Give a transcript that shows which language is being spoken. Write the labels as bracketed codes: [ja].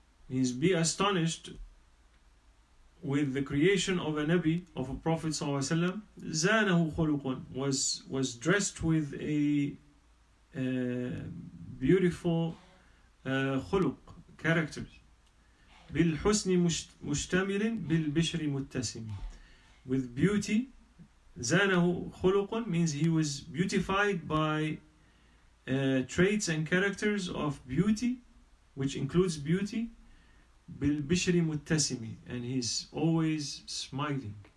[en] means be astonished with the creation of a Nabi, of a Prophet ﷺ. [ar] زَانَهُ خُلُقٌ, [en] was dressed with a beautiful خُلُق, character. [ar] بِالْحُسْنِ مُشْتَمِلٍ بِالْبِشْرِ مُتَّسِمٍ, [en] with beauty. [ar] زَانَهُ خُلُقٌ [en] means he was beautified by traits and characters of beauty, which includes beauty. [ar] بِالْبِشْرِ مُتَّسِمِ, [en] and he's always smiling.